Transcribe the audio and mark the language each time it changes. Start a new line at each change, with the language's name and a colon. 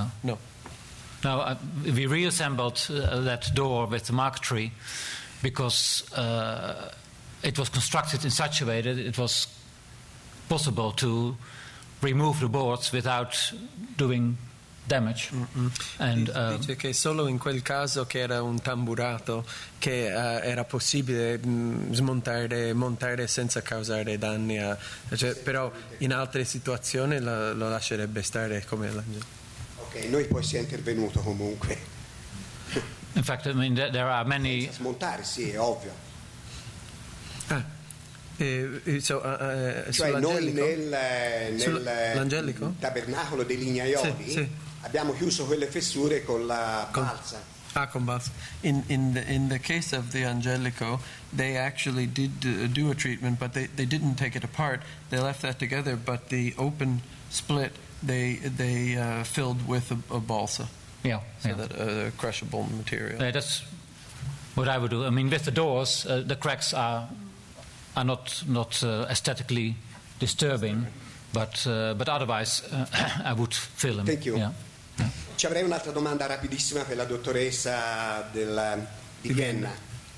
English: No. Now, we reassembled that door with the marquetry, because it was constructed in such a way that it was possible to remove the boards without doing damage.
Italian: Dice che solo in quel caso che era un tamburato che era possibile montare senza causare danni. Però in altre situazioni lo lascerebbe stare come l'angelo. Ok, noi poi si è intervenuto comunque.
English: In fact, I mean, there are many.
Italian: Smontare, sì, è ovvio. Cioè, noi nel tabernacolo dei lignaioli abbiamo chiuso quelle fessure con la balsa. Con balsa.
English: In the case of the Angelico, they actually did do a treatment, but they didn't take it apart. They left that together, but the open split they filled with a balsa. That crushable material. Yeah, that's what I would do. I mean, with the doors, the cracks are not aesthetically disturbing, but otherwise I would fill them. Thank you.
Italian: Ci avrei un'altra domanda rapidissima per la dottoressa di Vienna.